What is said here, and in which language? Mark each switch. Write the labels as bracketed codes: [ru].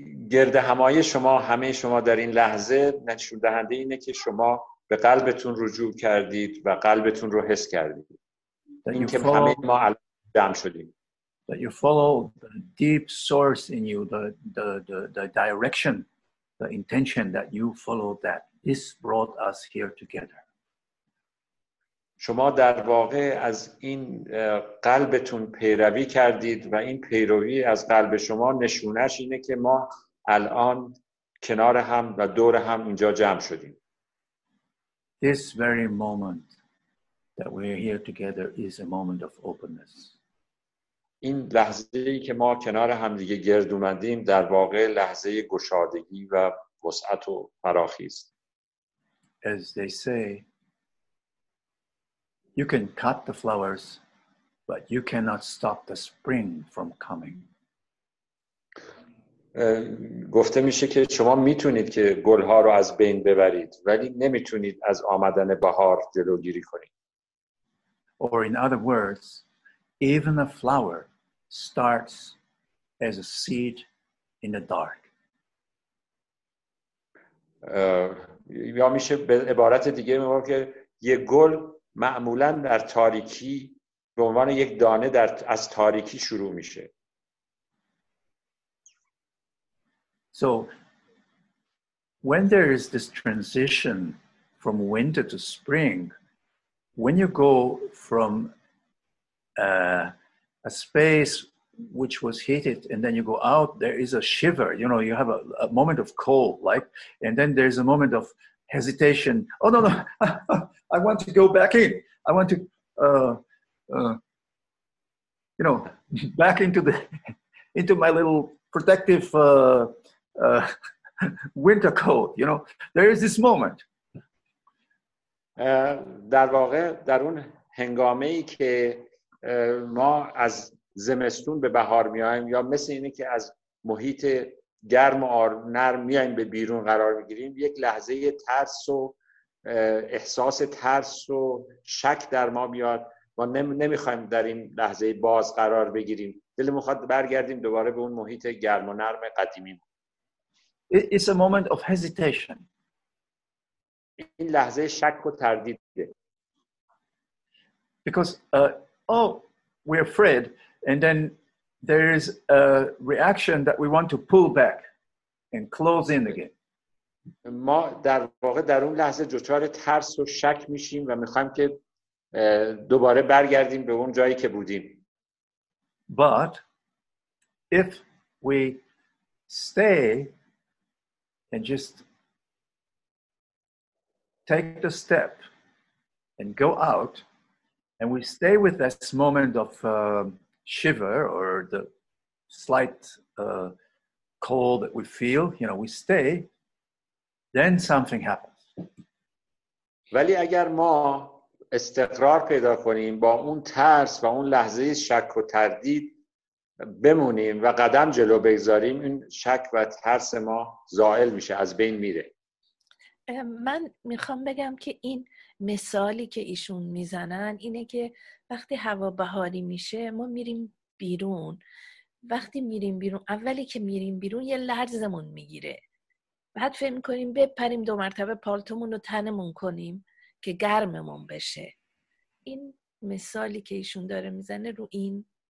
[fa] گرد همایی شما، همه شما در این لحظه نشون دهنده اینه که شما به قلبتون رجوع کردید و قلبتون رو حس کردید. این که همه ما جمع شدیم. [en] That you follow the deep source in you, the direction, the intention that you follow that this brought us here together. [fa] شما در واقع از این قلبتون پیروی کردید و این پیروی از قلب شما نشونش اینه که ما الان کنار هم و دور هم اینجا جمع شدیم. [en] This very moment that we are here together is a moment of openness. [fa] این لحظه‌ای که ما کنار هم دیگه گرد اومدیم در واقع لحظه گشادگی و وسعت و فراخی است. [en] As they say, you can cut the flowers, but you cannot stop the spring from coming. [fa] گفته میشه که شما میتونید که گلها رو از بین ببرید، ولی نمیتونید از آمدن بهار جلوگیری کنید. [en] Or in other words, even a flower starts as a seed in the dark. [fa] یا میشه به عبارت دیگه میگه که یه گل معمولاً در تاریکی به عنوان یک دانه در از تاریکی شروع میشه. [en] So when there is this transition from winter to spring, when you go from a space which was heated, and then you go out, there is a shiver, you know, you have a moment of cold, right? And then there's a moment of hesitation. Oh, no, no, I want to go back in. I want to, you know, back into the into my little protective winter coat, you know. There is this moment. [fa] در واقع در اون هنگامی که ما از زمستون به بهار میایم یا مثل اینه که از محیط گرم و نرم میایم به بیرون قرار میگیریم یک لحظه ترس و احساس ترس و شک در ما میاد و نمیخوایم در این لحظه باز قرار بگیریم دلمون خواهد برگردیم دوباره به اون محیط گرم و نرم قدیمی [en] It's a moment of hesitation [fa] این لحظه شک و تردیده [en] Because we're afraid and then there is a reaction that we want to pull back and close in again [fa] ما در واقع در اون لحظه دچار ترس و شک میشیم و میخوایم که دوباره برگردیم به اون جایی که بودیم [en] But if we stay and just take the step and go out and we stay with that moment of shiver or the slight cold that we feel, you know, we stay, then something happens. [fa] ولی اگر ما استقرار پیدا کنیم با اون ترس و اون لحظه شک و تردید بمونیم و قدم جلو بگذاریم این شک و ترس ما زائل میشه از بین میره من میخوام بگم که این مثالی که ایشون میزنن اینه که وقتی هوا بهاری میشه ما میریم بیرون وقتی میریم بیرون اولی که میریم بیرون یه لرزمون میگیره بعد فهم میکنیم بپریم دو مرتبه پالتومون رو تنمون کنیم که گرممون بشه این مثالی که ایشون داره میزنه رو این